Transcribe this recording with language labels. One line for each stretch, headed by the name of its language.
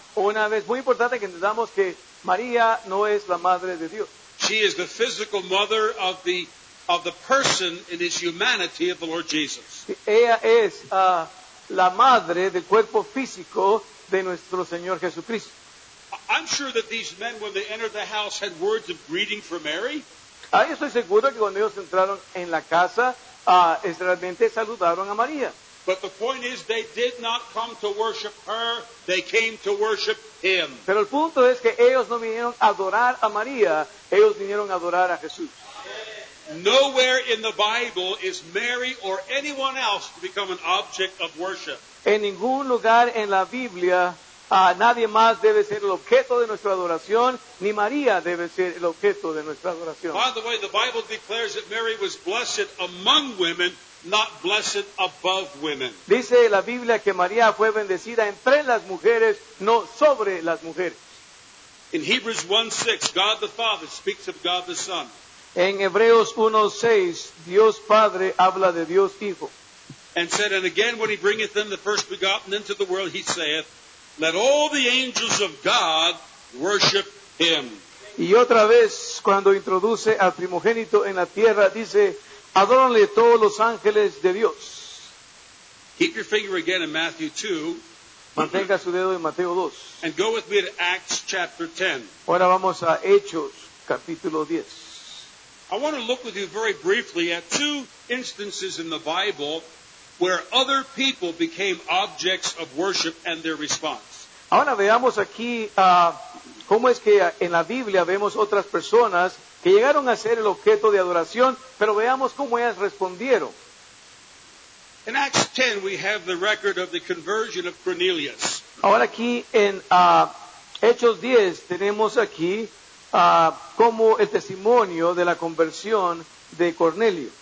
Spanish: Una vez, muy importante que entendamos que María no es la madre de Dios.
English: She is the physical mother of the person in his humanity of the Lord Jesus.
Spanish: Ella es la madre del cuerpo físico de nuestro Señor Jesucristo.
English: I'm sure that these men, when they entered the house, had words of greeting for Mary.
Spanish: Ah, estoy seguro que cuando ellos entraron en la casa, realmente saludaron a María.
English: But the point is, they did not come to worship her, they came to worship Him.
Spanish: Pero el punto es que ellos no vinieron a adorar a María, ellos vinieron a adorar a Jesús.
English: Nowhere in the Bible is Mary or anyone else to become an object of worship.
Spanish: En ningún lugar en la Biblia, nadie más debe ser el objeto de nuestra adoración, ni María debe ser el objeto de nuestra adoración.
English: By the way, the Bible declares that Mary was blessed among women, not blessed above women.
Spanish: Dice la Biblia que María fue bendecida entre las mujeres, no sobre las mujeres.
English: In Hebrews 1:6, God the Father speaks of God the Son.
Spanish: En Hebreos 1:6, Dios Padre habla de Dios Hijo.
English: And said, and again, when He bringeth them the first begotten into the world, He saith, let all the angels of God worship Him.
Spanish: Y otra vez, cuando introduce al primogénito en la tierra, dice, adóranle todos los ángeles de Dios.
English: Keep your finger again in Matthew 2.
Spanish: Mantenga su dedo en Mateo 2.
English: And go with me to Acts chapter 10.
Spanish: Ahora vamos a Hechos capítulo 10.
English: I want to look with you very briefly at two instances in the Bible where other people became objects of worship and their response.
Spanish: Ahora veamos aquí cómo es que en la Biblia vemos otras personas que llegaron a ser el objeto de adoración, pero veamos cómo ellas respondieron.
English: In Acts 10 we have the record of the conversion of Cornelius.
Spanish: Ahora aquí en Hechos 10 tenemos aquí como el testimonio de la conversión de Cornelio.